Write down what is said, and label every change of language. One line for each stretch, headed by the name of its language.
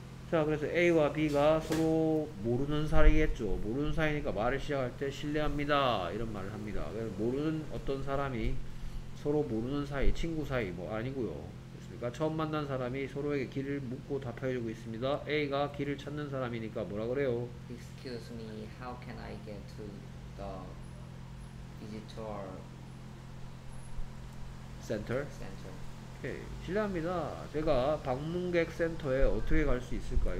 Korean: 자 그래서 A와 B가 서로 모르는 사이겠죠. 모르는 사이니까 말을 시작할 때 실례합니다 이런 말을 합니다. 그래서 모르는 어떤 사람이 서로 모르는 사이 친구 사이 뭐 아니고요. 그러니까 처음 만난 사람이 서로에게 길을 묻고 답해주고 있습니다. A가 길을 찾는 사람이니까 뭐라 그래요?
English: Excuse me, how can I get to the visitor center? Center.
Korean: 네, 실례합니다. 제가 방문객 센터에 어떻게 갈 수 있을까요?